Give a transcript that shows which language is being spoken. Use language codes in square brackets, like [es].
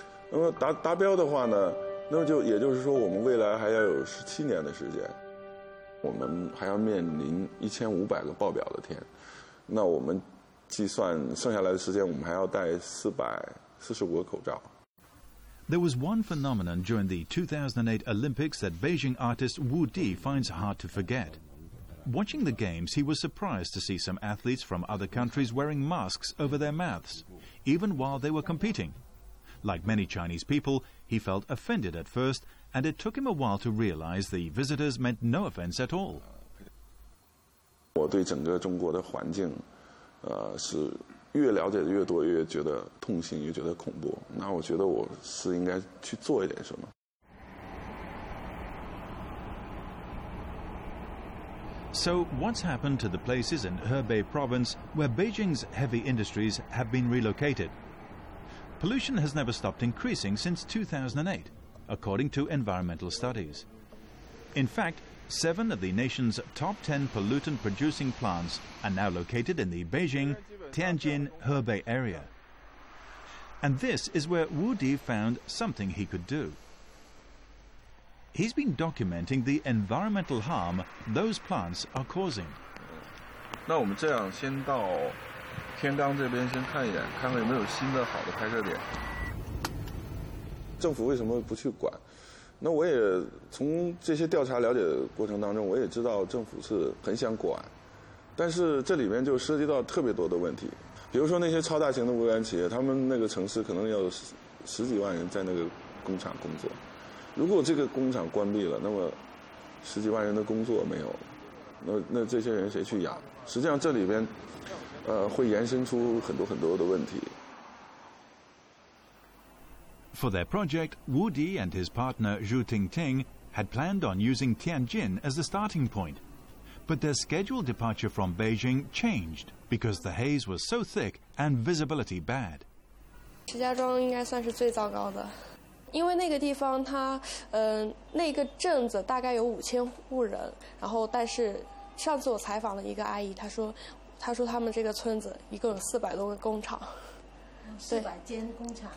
[zh] 那么达标的话呢，那么就也就是说，我们未来还要有17年的时间，我们还要面临1500个爆表的天。那我们计算剩下来的时间，我们还要戴445个口罩。 [en] There was one phenomenon during the 2008 Olympics that Beijing artist Wu Di finds hard to forget. Watching the games, he was surprised to see some athletes from other countries wearing masks over their mouths, even while they were competing. Like many Chinese people, he felt offended at first, and it took him a while to realize the visitors meant no offense at all. [zh] 我对整个中国的环境，是越了解越多，越觉得痛心，越觉得恐怖。那我觉得我是应该去做一点什么。 [en] So what's happened to the places in Hebei province where Beijing's heavy industries have been relocated? Pollution has never stopped increasing since 2008, according to environmental studies. In fact, 7 of the nation's top 10 pollutant-producing plants are now located in the Beijing, Tianjin, Hebei area. And this is where Wu Di found something he could do. He's been documenting the environmental harm those plants are causing. [zh] 那我们这样，先到天罡这边先看一眼，看看有没有新的好的拍摄点。政府为什么不去管？那我也从这些调查了解过程当中，我也知道政府是很想管，但是这里面就涉及到特别多的问题，比如说那些超大型的污染企业，他们那个城市可能要十几万人在那个工厂工作。如果这个工厂关闭了，那么十几万人的工作没有了，那这些人谁去养？实际上这里边，会延伸出很多很多的问题。 [en] For their project, Wu Di and his partner Zhu Tingting had planned on using Tianjin as the starting point, but their scheduled departure from Beijing changed because the haze was so thick and visibility bad. [zh] 石家庄应该算是最糟糕的。因为那个地方它那个镇子大概有5000户人，然后但是上次我采访了一个阿姨，她说他们这个村子一共有400多个工厂， 400间工厂，